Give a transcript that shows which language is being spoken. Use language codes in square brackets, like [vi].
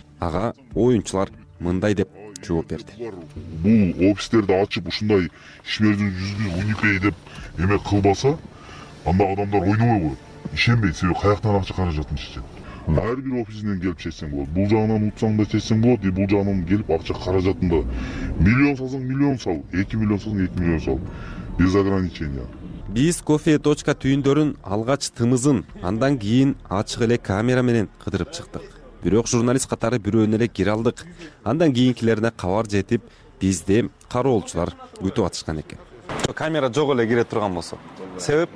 [ky] Ага оюнчулар мындай деп жооп берди. Бул офистерди ачып ушундай ишмердин жүзгүн уникей деп эме кылбаса, анда адамдар ойнобойбу? Ишенбейт, себеби каяктан акча каражатын чечет. Ар бир офисинен келип чечсең болот. Бул жагынан утсаң да чечсең болот, бул жагынан келип акча каражатын да. Миллион салсаң миллион сал, 2 миллион салсаң 2 миллион сал. [ru] Без ограничения. [ky] Биз кофе точка түйүндөрүн алгач тымызын, андан кийин ачык эле камера менен кыдырып чыктык. Бирок журналист катары бирөөнө эле кире алдык. Андан кийинкилерине кабар жетип, бизди кароолчулар күтүп атышкан экен. Камера жок эле кире турган болсо. Себеп?